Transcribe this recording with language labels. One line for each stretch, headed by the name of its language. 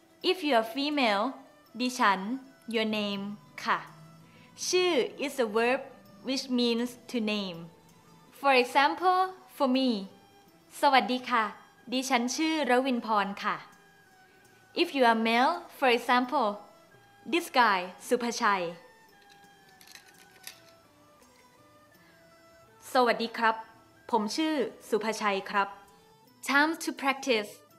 English: If you are female, ดิฉัน your name ค่ะ. ชื่อ is a verb which means to name. For example, for me,
Thai: สวัสดีค่ะ. ดิฉันชื่อรวินพรค่ะ.
English: If you are male, for example, This guy, สุภชัย
Thai: สวัสดีครับ ผมชื่อ สุภชัยครับ
English: Time to practice.